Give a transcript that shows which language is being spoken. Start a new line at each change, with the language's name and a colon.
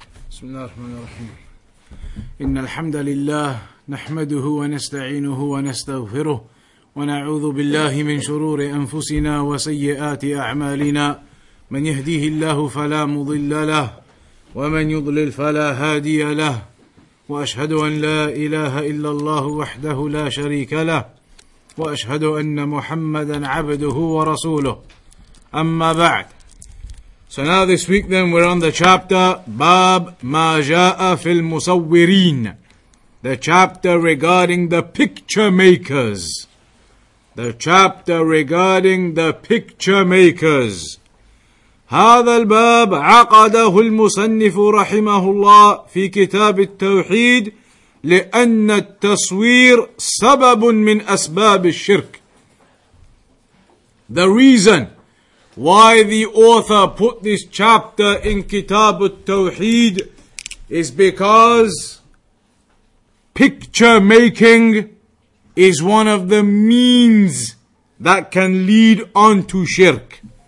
Arabic: بسم الله الرحمن الرحيم إن الحمد لله نحمده ونستعينه ونستغفره ونعوذ بالله من شرور أنفسنا وسيئات أعمالنا من يهديه الله فلا مضل له ومن يضلل فلا هادي له وأشهد أن لا إله إلا الله وحده لا شريك له وأشهد أن محمدا عبده ورسوله أما بعد.
English: So now this week then we're on the chapter Bab Ma Ja'a Fil Musawwirin, the chapter regarding the picture makers. The chapter regarding the picture makers.
Arabic: هذا الباب عقده المصنف رحمه الله في كتاب التوحيد لأن التصوير سبب من أسباب الشرك.
English: The reason why the author put this chapter in Kitab al-Tawheed is because picture making is one of the means that can lead on to shirk.